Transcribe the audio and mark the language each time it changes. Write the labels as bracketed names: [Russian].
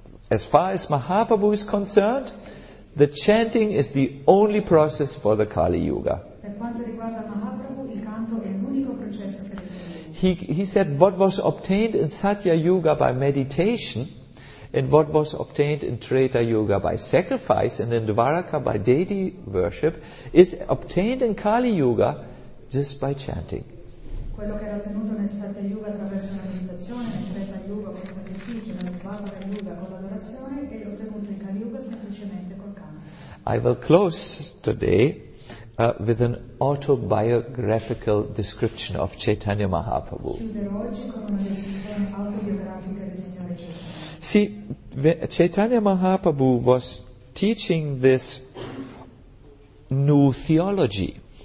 [English] As far as Mahaprabhu is concerned, the chanting is the only process for the Kali Yuga. [Italian] Per quanto riguarda Mahaprabhu, il canto è l'unico processo per il Kali Yuga. [English] He said what was obtained in Satya Yuga by meditation and what was obtained in Treta Yuga by sacrifice and in Dvaraka by deity worship is obtained in Kali Yuga just by chanting. [Italian] Quello che era ottenuto nel Satya Yuga attraverso la meditazione, nel Treta Yuga con sacrificio, nel Dvaraka Yuga con l'adorazione, è ottenuto in Kali Yuga semplicemente col canto. [English] I will close today with an autobiographical description of Chaitanya Mahaprabhu. [Italian] Chiuderò oggi con una descrizione autobiografica del Signore Gesù. [English] See, Chaitanya Mahaprabhu was teaching this new theology.